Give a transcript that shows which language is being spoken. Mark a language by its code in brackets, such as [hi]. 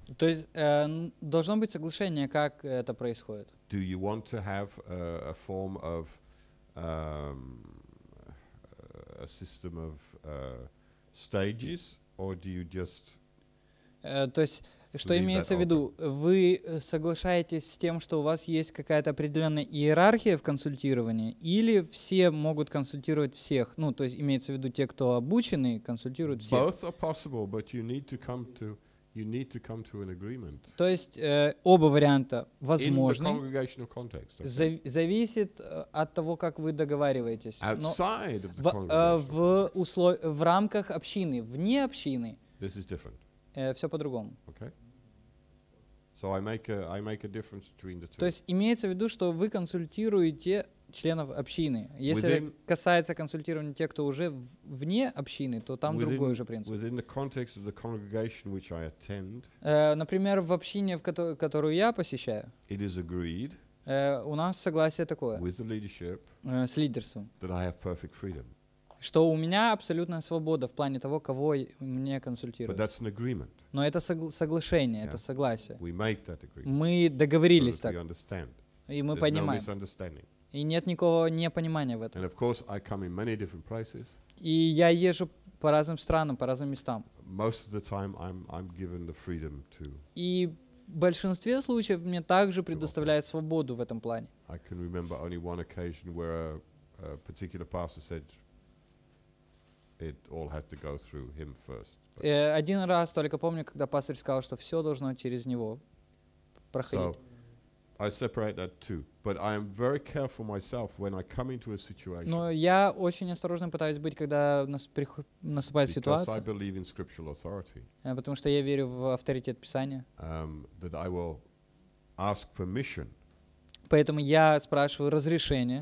[ru] То есть должно быть соглашение, как это происходит. [en] Do you want to have a form of a system of stages, or do you just? [ru] То есть что имеется в виду? Вы соглашаетесь с тем, что у вас есть какая-то определенная иерархия в консультировании, или все могут консультировать всех? Ну, то есть имеется в виду те, кто обучены, консультируют всех. [en] Both are possible, but you need to come to. You need to come to an agreement. [ru] То есть оба варианта возможны. [en] In the congregational context. Okay. [ru] Зависит от того, как вы договариваетесь. [en] Outside [ru] но [en] of the congregational context. [ru] В рамках общины, вне общины. [en] This is different. [ru] Все по-другому. [en] Okay. So I make a difference between the two. [ru] То есть имеется в виду, что вы консультируете членов общины. Если within, касается консультирования тех, кто уже вне общины, то там [en] within, [ru] другой уже принцип. [en] Within the context of the congregation which I attend, [ru] например, в общине, которую я посещаю, [en] it is agreed, [ru] у нас согласие такое [en] with the leadership, [ru] с лидерством, [en] that I have perfect freedom. [ru] Что у меня абсолютная свобода в плане того, кого мне консультируют. [en] But that's an agreement. [ru] Но это соглашение, yeah. Это согласие. [en] We make that agreement. [ru] Мы договорились [en] so that [ru] так. [en] We understand. [ru] И мы [en] There's [ru] понимаем. [en] No misunderstanding. [ru] И нет никакого непонимания в этом. [en] And of course I come in many different places. [ru] И я езжу по разным странам, по разным местам. [en] Most of the time I'm given the freedom to. [ru] И в большинстве случаев мне также предоставляют свободу в этом плане. [en] I can remember only one occasion where a particular pastor said it all had to go through him first. [ru] Один раз только помню, когда пастор сказал, что все должно через него проходить. [en] I separate that too, but I am very careful myself when I come into a situation. [ru] Но я очень осторожно пытаюсь быть, когда наступает ситуация. [en] Because I believe in scriptural authority. [ru] Потому что я верю в авторитет Писания. [en] That I will ask permission. [ru] Поэтому я спрашиваю разрешение.